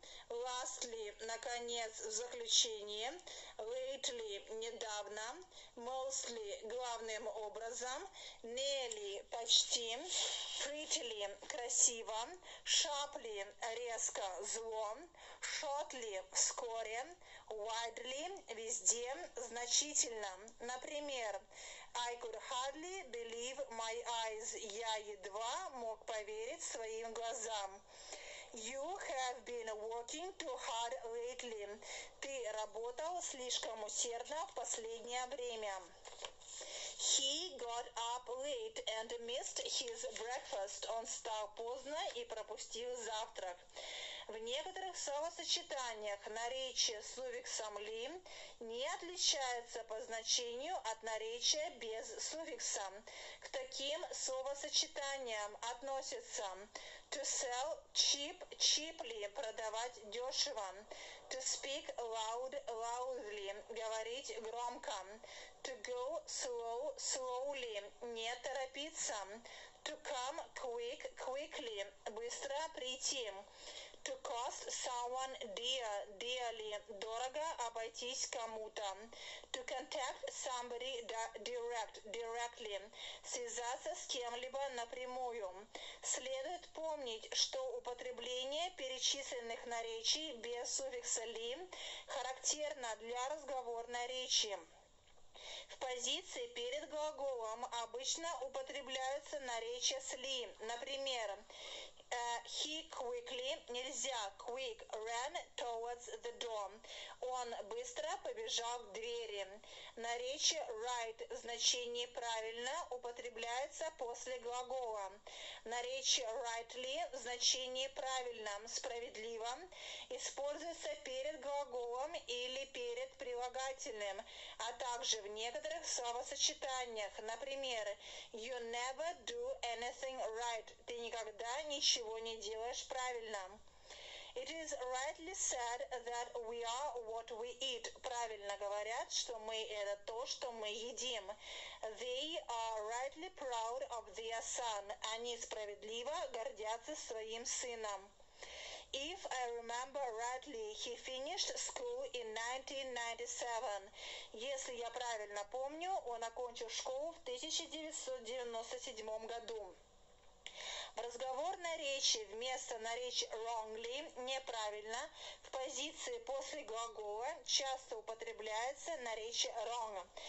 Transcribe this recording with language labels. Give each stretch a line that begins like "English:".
Russian: Lastly – наконец, в заключение. Lately – недавно. Mostly – главным образом. Nearly – почти. Prettily – красиво. Sharply – резко, зло. Shortly – вскоре. Widely – везде, значительно. Например,
English: I could hardly believe my eyes.
Russian: Я едва мог поверить своим глазам.
English: You have been working too hard lately.
Russian: Ты работал слишком усердно в последнее время.
English: He got up late and missed his breakfast.
Russian: Он встал поздно и пропустил завтрак. В некоторых словосочетаниях наречие с суффиксом -ly не отличается по значению от наречия без суффикса. К таким словосочетаниям относятся
English: to sell cheap, cheaply,
Russian: продавать дешево,
English: to speak loud, loudly,
Russian: говорить громко,
English: to go slow, slowly,
Russian: не торопиться,
English: to come quick, quickly,
Russian: быстро прийти,
English: to cost someone dear, dearly,
Russian: дорого обойтись кому-то,
English: to contact somebody direct, directly,
Russian: связаться с кем-либо напрямую. Следует помнить, что употребление перечисленных наречий без суффикса -ly характерно для разговорной речи. В позиции перед глаголом обычно употребляются наречия с ly. Например,
English: he quickly,
Russian: нельзя,
English: quick, ran towards the door.
Russian: Он быстро побежал к двери. Наречие right в значении правильно употребляется после глагола. Наречие rightly в значении правильно, справедливо, используется перед глаголом или перед прилагательным, а также в некоторых словосочетаниях.
English: Например, you never do anything right.
Russian: Ты никогда ничего не делаешь правильно.
English: It is rightly said that we are what we eat.
Russian: Правильно говорят, что мы это то, что мы едим.
English: They are rightly proud of their son.
Russian: Они справедливо гордятся своим сыном.
English: If I remember rightly, he finished school in 1997.
Russian: Если я правильно помню, он окончил школу в 1997 году. В разговорной речи вместо наречия wrongly, неправильно, в позиции после глагола часто употребляется наречие wrong.